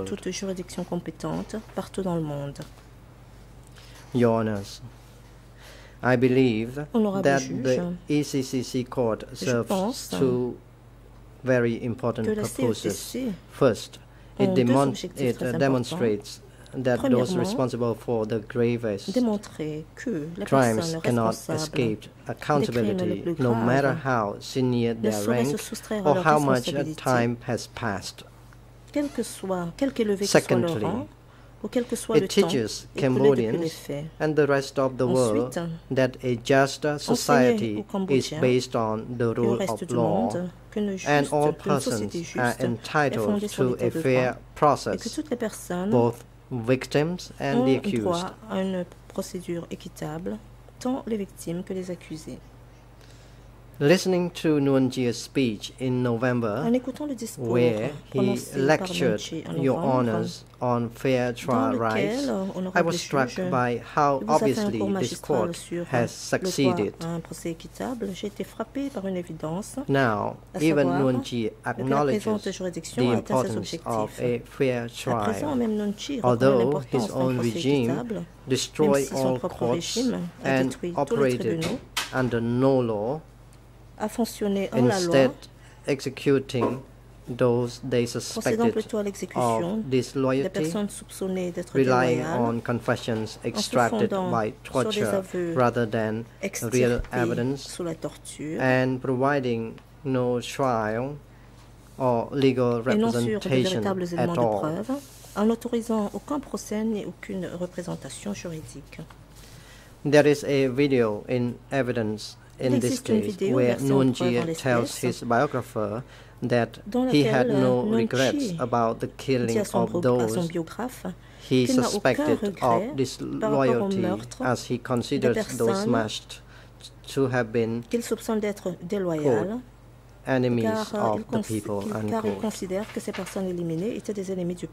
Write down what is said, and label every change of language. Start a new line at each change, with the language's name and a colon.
French: De toute juridiction compétente partout dans le monde.
English: Your Honours, I believe that
French: juge,
English: the ECCC court serves two very important purposes. First, it demonstrates that those responsible for the gravest crimes cannot escape accountability, no matter how senior their rank or how much time has passed. Secondly, it teaches Cambodians and the rest of the world that a just society is based on the rule of law and all persons are entitled to a fair process, both victims and the accused.
French: Droit à une procédure équitable, tant les victimes que les accusés.
English: Listening to Nguyen Chia's speech in November,
French: en écoutant le discours
English: where he lectured your honours on fair trial rights, I was struck by how obviously this court has succeeded.
French: J'ai été frappé par une évidence.
English: Now, even Nguyen Chia acknowledges the importance of a fair trial, although his own regime destroyed all courts and operated under no law,
French: a fonctionné en
English: instead
French: la loi,
English: executing those they suspected of disloyalty, relying on confessions extracted by torture rather than real evidence, torture, and providing no trial or legal representation at all,
French: en autorisant aucun procès ni aucune représentation juridique.
English: There is a video in evidence in this case where Nguyen Chia tells his biographer that he had no regrets about the killing of those he suspected of disloyalty, as he considered those smashed to have been quote, enemies of the people, unquote.